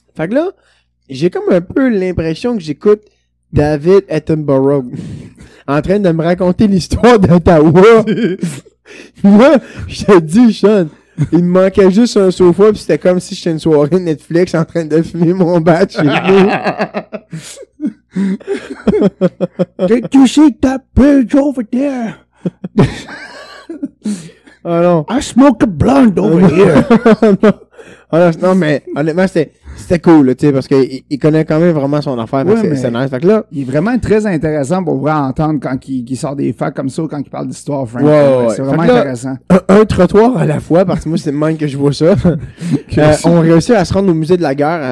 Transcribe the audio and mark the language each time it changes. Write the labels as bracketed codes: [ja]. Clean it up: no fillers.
[fr] Fait que là, j'ai comme un peu l'impression que j'écoute David Attenborough en train de me raconter l'histoire d'Ottawa. Moi, je te dis, Sean, il me manquait juste un sofa, puis c'était comme si j'étais une soirée Netflix en train de fumer mon batch. [en] Did you see that bridge over there? [fr] Oh non. [en] I smoke a blonde over here. [fr] Non, mais honnêtement, c'était cool, tu sais, parce qu'il connaît quand même vraiment son affaire. Ouais, c'est nice. Fait que là, il est vraiment très intéressant pour vraiment entendre quand il sort des facts comme ça ou quand il parle d'histoire, Frank. Ouais, ouais, c'est vraiment là, intéressant. Un trottoir à la fois, parce que moi, c'est le même que je vois ça. on réussit à se rendre au musée de la guerre.